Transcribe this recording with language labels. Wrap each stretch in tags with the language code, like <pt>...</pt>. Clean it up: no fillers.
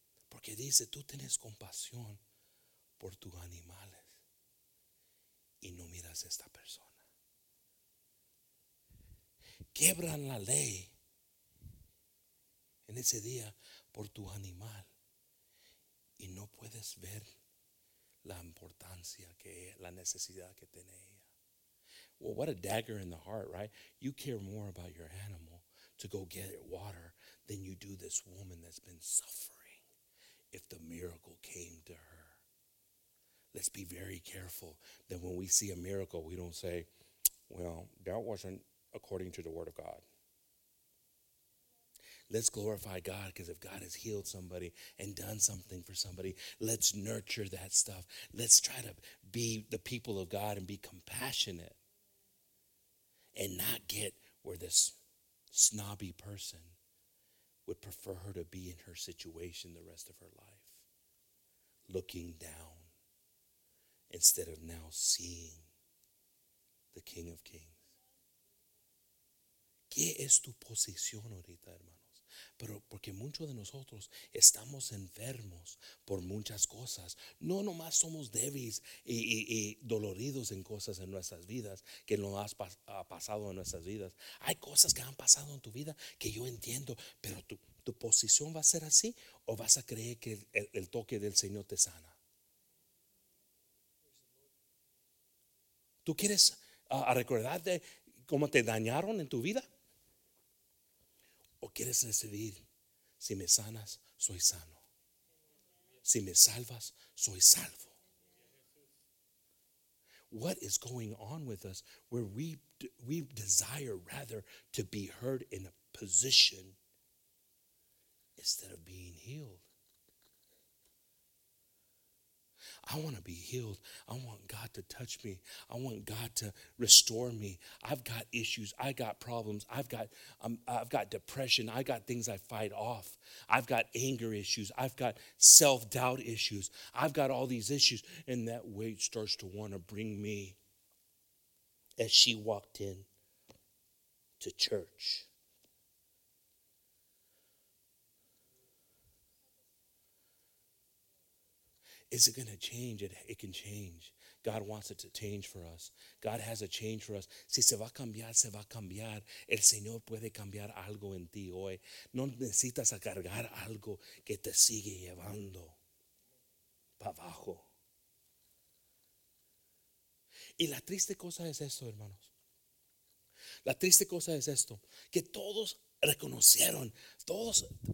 <es>Porque dice: tú tienes compasión por tus animales y no miras a esta persona. Quebran la ley en ese día por tu animal y no puedes ver la importancia que es, la necesidad que tiene ella.</es> <en>Well, what a dagger in the heart, right? You care more about your animal to go get it water than you do this woman that's been suffering if the miracle came to her. Let's be very careful that when we see a miracle, we don't say, well, that wasn't according to the word of God. Let's glorify God, because if God has healed somebody and done something for somebody, let's nurture that stuff. Let's try to be the people of God and be compassionate and not get where this snobby person would prefer her to be in her situation the rest of her life, looking down instead of now seeing the King of Kings. ¿Qué es tu posición ahorita, hermano? Pero porque muchos de nosotros estamos enfermos por muchas cosas. No nomás somos débiles y doloridos en cosas en nuestras vidas que no has pasado en nuestras vidas. Hay cosas que han pasado en tu vida que yo entiendo. Pero tu posición va a ser así, o vas a creer que el toque del Señor te sana. ¿Tú quieres recordar de cómo te dañaron en tu vida? ¿O quieres decidir: si me sanas, soy sano? Si me salvas, soy salvo. What is going on with us where we desire rather to be heard in a position instead of being healed? I want to be healed. I want God to touch me. I want God to restore me. I've got issues. I got problems. I've got depression. I got things I fight off. I've got anger issues. I've got self-doubt issues. I've got all these issues. And that weight starts to want to bring me, as she walked in to church. Is it going to change? It can change. God wants it to change for us. God has a change for us.</en> <es>Si se va a cambiar, se va a cambiar. El Señor puede cambiar algo en ti hoy. No necesitas cargar algo que te sigue llevando para abajo. Y la triste cosa es esto, hermanos. La triste cosa es esto, que todos reconocieron, todos.</es>